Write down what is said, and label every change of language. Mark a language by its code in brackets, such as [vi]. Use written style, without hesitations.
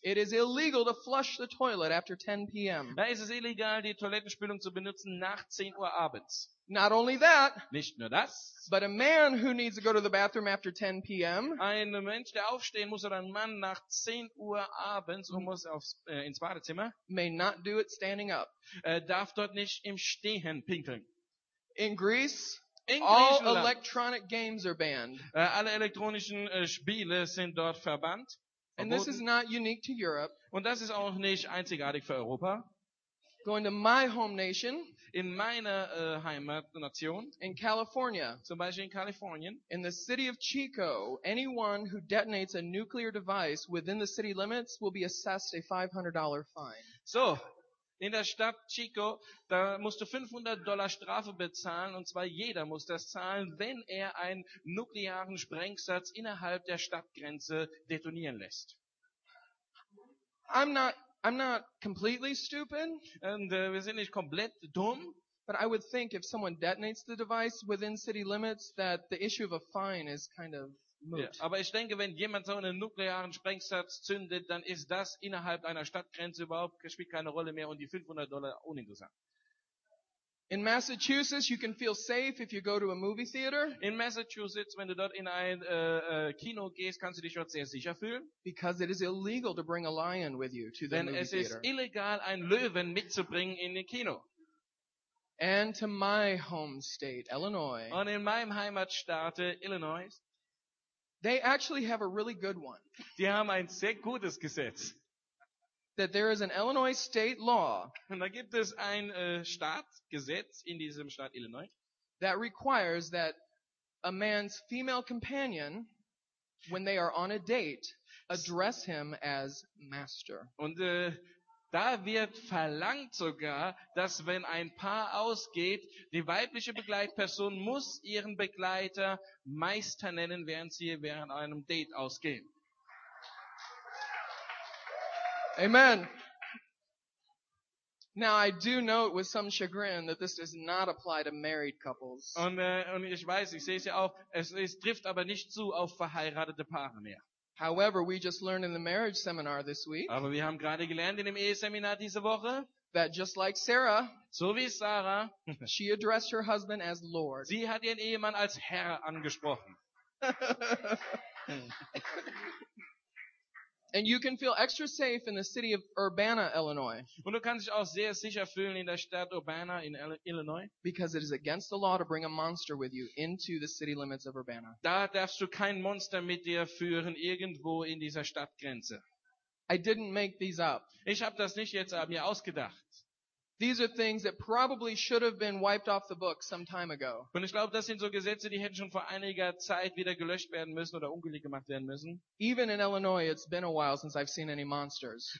[en] it is illegal to flush the toilet after 10 p.m. [de] Da ist es illegal, die Toilettenspülung zu benutzen nach 10 Uhr abends. [en] Not only that, [de] nicht nur das, [en] but a man who needs to go to the bathroom after 10 p.m. [de] Ein Mensch, der aufstehen muss, oder ein Mann nach 10 Uhr abends und muss ins Badezimmer, [en] may not do it standing up. [de] Darf dort nicht im Stehen pinkeln. [en] In Greece, [de] in [en] all electronic games are banned. [de] Alle elektronischen Spiele sind dort verbannt. Verboten. [en] And this is not unique to Europe. [de] Und das ist auch nicht einzigartig für Europa. [en] Going to my home nation, [de] in meiner Heimatnation, [en] in California, [de] zum Beispiel in Kalifornien, [en] in the city of Chico, anyone who detonates a nuclear device within the city limits will be assessed a $500 fine. [de] So, in der Stadt Chico, da musst du $500 Strafe bezahlen, und zwar jeder muss das zahlen, wenn er einen nuklearen Sprengsatz innerhalb der Stadtgrenze detonieren lässt. [en] I'm not completely stupid. [de] Und wir sind nicht komplett dumm. [en] But I would think if someone detonates the device within city limits, that the issue of a fine is kind of moot. Yeah, [de] aber ich denke, wenn jemand so einen nuklearen Sprengsatz zündet, dann ist das innerhalb einer Stadtgrenze überhaupt, spielt keine Rolle mehr, und die $500 uninteressant. [en] In Massachusetts, you can feel safe if you go to a movie theater. [de] In Massachusetts, wenn du dort in ein Kino gehst, kannst du dich dort sehr sicher fühlen. [en] Because it is illegal to bring a lion with you to the movie theater. [de] Denn es ist illegal, einen Löwen mitzubringen in ein Kino. [en] And to my home state, Illinois. [de] Und in meinem Heimatstaat Illinois. [en] They actually have a really good one. [de] Die haben ein sehr gutes Gesetz. [en] That there is an Illinois state law. [de] Und da gibt es ein Staatsgesetz in diesem Staat Illinois. [en] That requires that a man's female companion, when they are on a date, address him as master. [de] Und da wird verlangt sogar, dass wenn ein Paar ausgeht, die weibliche Begleitperson muss ihren Begleiter Meister nennen, während sie während einem Date ausgehen. [en] Amen. Now I do note with some chagrin that this does not apply to married couples. [de] Und ich weiß, ich sehe es ja auch, es trifft aber nicht zu auf verheiratete Paare mehr. [en] However, we just learned in the marriage seminar this week. [de] Aber wir haben gerade gelernt in dem Eheseminar diese Woche, [en] that just like Sarah, [de] so wie Sarah, [en] she addressed her husband as Lord. [de] Sie hat ihren Ehemann als Herr angesprochen. [en] And you can feel extra safe in the city of Urbana, Illinois. [de] Und du kannst dich auch sehr sicher fühlen in der Stadt Urbana in Illinois. [en] Because it is against the law to bring a monster with you into the city limits of Urbana. [de] Da darfst du kein Monster mit dir führen irgendwo in dieser Stadtgrenze. [en] I didn't make these up. [de] Ich habe das nicht jetzt mir ausgedacht. [en] These are things that probably should have been wiped off the books some time ago. [de] Und ich glaube, das sind so Gesetze, die hätten schon vor einiger Zeit wieder gelöscht werden müssen oder ungültig gemacht werden müssen. [en] Even in Illinois, it's been a while since I've seen any monsters.